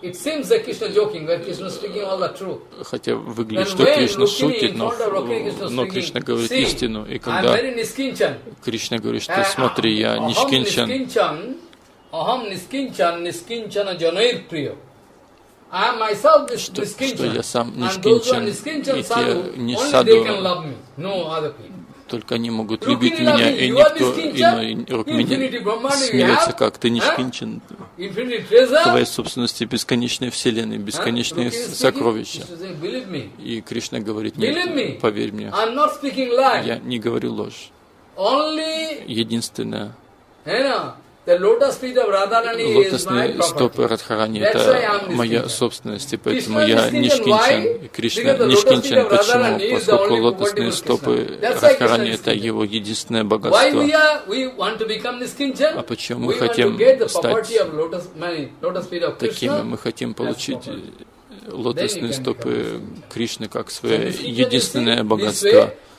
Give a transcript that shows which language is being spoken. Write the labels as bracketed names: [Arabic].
[English] It seems that Krishna joking, but Krishna speaking all the truth. [Russian] Хотя выглядит, что Кришна шутит, но Кришна говорит истину. И когда Кришна говорит, что смотри, я нишкинчан. [Sanskrit] Aham niskinchan, niskinchana janair priyo. [English] I am myself this nishkinchan, and those who are nishkinchan sadhu, only they can love me, no other people. [Russian] Только они могут любить меня, и никто иной, Рукмини, смеется, как ты нишкинчан. Твоей собственности бесконечной вселенной, бесконечные сокровища. И Кришна говорит, нет, поверь мне, я не говорю ложь. Единственное. [English] The lotus feet of Radharani is my property. That's why I'm nishkinchan. Krishna nishkinchan. Why? Because the lotus feet of Radharani is the only property of Krishna. That's why Radharani is his only property. Why we want to become nishkinchan? And why we want to get the property of lotus feet of Krishna? Why we want to [Russian] получить лотосные стопы Кришны как свое единственное богатство?